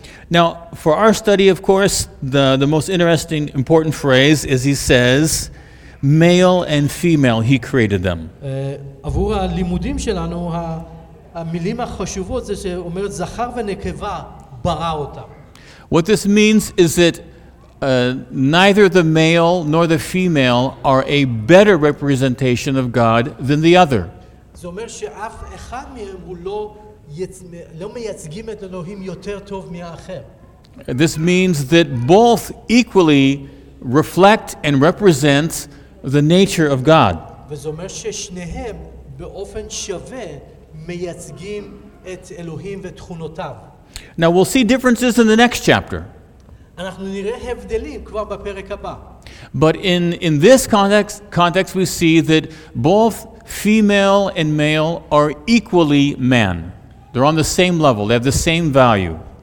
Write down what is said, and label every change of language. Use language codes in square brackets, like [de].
[en] Now, for our study, of course, the most interesting, important phrase is he says, male and female, he created them. [he] עבור הלימודים שלנו, המילים החשובות זה שאומרת זכר ונקבה ברא אותם. [en] What this means is that neither the male nor the female are a better representation of God than the other. [he] זה אומר שאף אחד מהם הוא לא מייצגים את אלוהים יותר טוב מהאחר. [en] This means that both equally reflect and represent the nature of God. [he] וזה אומר ששניהם באופן שווה מייצגים את אלוהים ותכונותיו. [en] Now we'll see differences in the next chapter. [he] אנחנו נראה הבדלים כבר בפרק הבא. [en] But in this context we see that both female and male are equally man. They're on the same level. They have the same value.